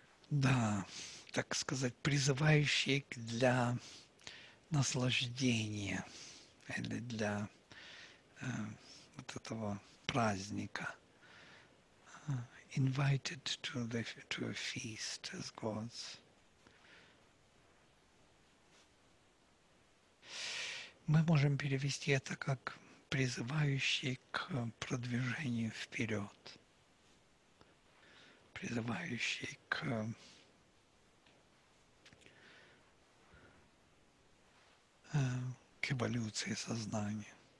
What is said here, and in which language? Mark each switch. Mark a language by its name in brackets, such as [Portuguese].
[Russian] Да, так сказать, призывающий для наслаждения или для вот этого праздника. [English] Invited to the to a feast as gods. [Russian] Мы можем перевести это как призывающий к продвижению вперед. Призывающий к эволюции сознания.